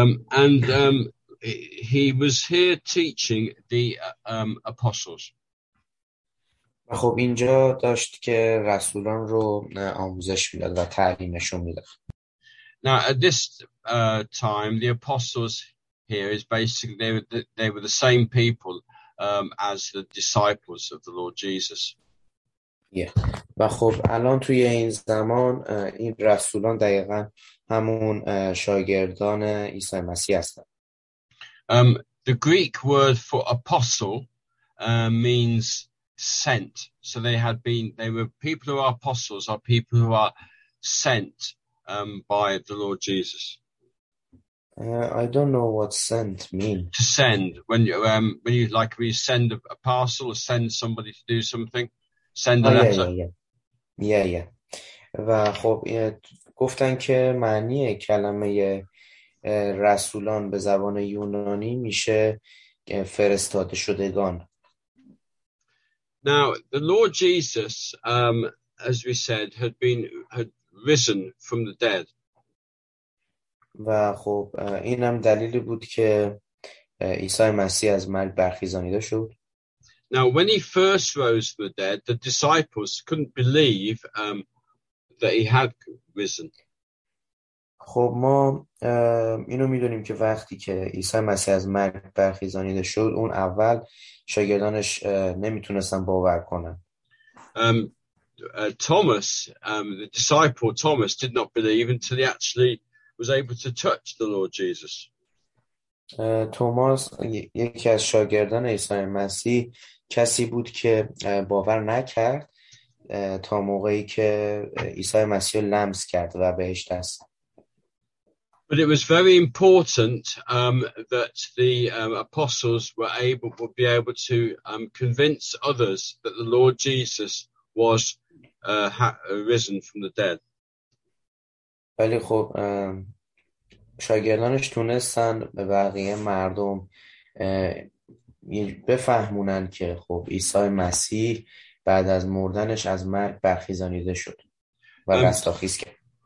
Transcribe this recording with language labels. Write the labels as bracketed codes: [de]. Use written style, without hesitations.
[en] And he was here teaching the apostles. [fa] و خب اینجا داشت که رسولان رو آموزش میداد و تعلیمشون میداد. [en] Now at this time the apostles here is basically they were the same people as the disciples of the Lord Jesus. Yeah. [fa] و خب الان توی این زمان این رسولان دقیقاً همون شاگردان عیسی مسیح هستند. [en] The Greek word for apostle means sent. So they were people who are apostles are people who are sent by the Lord Jesus. I don't know what sent mean. To send, when you like we send a parcel or send somebody to do something, send a letter. [fa] و خب گفتن که معنی کلمه رسولان به زبان یونانی میشه فرستاده شدگان. [en] Now, the Lord Jesus, as we said, had risen from the dead. [fa] و خب اینم دلیلی بود که عیسی مسیح از مرگ برخیزانیده شد. [en] Now, when he first rose from the dead, the disciples couldn't believe that he had risen. [fa] خب ما اینو میدونیم که وقتی که عیسی مسیح از مرگ برخیزانیده شد اون اول شاگردانش نمیتونستن باور کنن. [en] The disciple Thomas did not believe until he actually was able to touch the Lord Jesus. [fa] توماس یکی از شاگردان عیسی مسیح کسی بود که باور نکرد تا موقعی که عیسی مسیح لمس کرد و بهش دست. [en] But it was very important that the apostles would be able to convince others that the Lord Jesus was risen from the dead. [fa] ولی خب شاگردانش تونستن به بقیه مردم بفهمونن که خب عیسی مسیح بعد از مردنش از مرگ برخیزانیده شد و رستاخیز کرد.